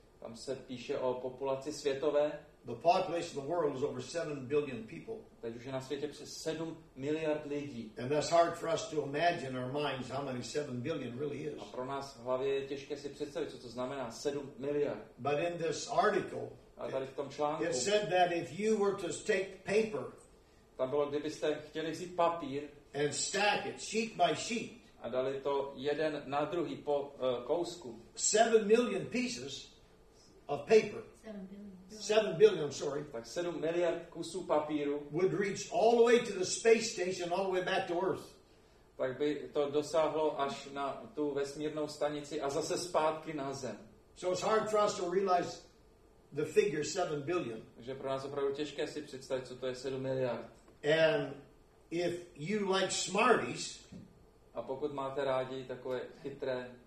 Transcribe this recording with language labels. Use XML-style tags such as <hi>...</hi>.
<cs>Tam se píše o populaci světové.</cs> <en>The population of the world is over 7 billion people.</en> <cs>Teď už je na světě přes 7 miliard lidí.</cs> <en>And that's hard for us to imagine in our minds how many 7 billion really is.</en> <cs>A pro nás v hlavě je těžké si představit, co to znamená 7 miliard.</cs> <en>But in this article,</en> <cs>článku,</cs> <en>it said that if you were to take paper,</en> <cs>tam bylo, kdybyste chtěli vzít papír,</cs> <en>and stack it sheet by sheet,</en> <cs>a dali to jeden na druhý po kousku,</cs> <en>7 million pieces of paper. 7 billion, sorry.</en> <cs>Tak 7 miliard kusů papíru.</cs> <en>Would reach all the way to the space station, all the way back to Earth.</en> <cs>Tak by to dosáhlo až na tu vesmírnou stanici a zase zpátky na Zem.</cs> <en>So it's hard for us to realize the figure 7 billion.</en> <cs>Takže pro nás opravdu těžké si představit, co to je 7 miliard.</cs> <en>And if you like Smarties,</en> <cs>a pokud máte rádi takové chytré,</cs>